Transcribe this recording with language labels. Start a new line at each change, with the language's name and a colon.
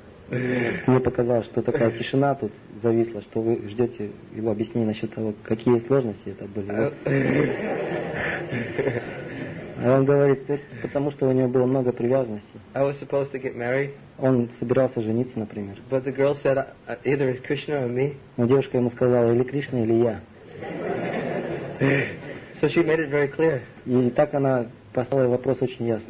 Russian: Мне показалось, что такая тишина тут зависла, что вы ждете его объяснения насчет того, какие сложности это были. Он говорит, это потому что у него было много привязанностей.
English: I was supposed to get married.
Russian: Он собирался жениться, например.
English: But the girl said, either it's Krishna or me.
Russian: Но девушка ему сказала, или Кришна, или я.
English: So she made it very clear.
Russian: И так она поставила вопрос очень ясно.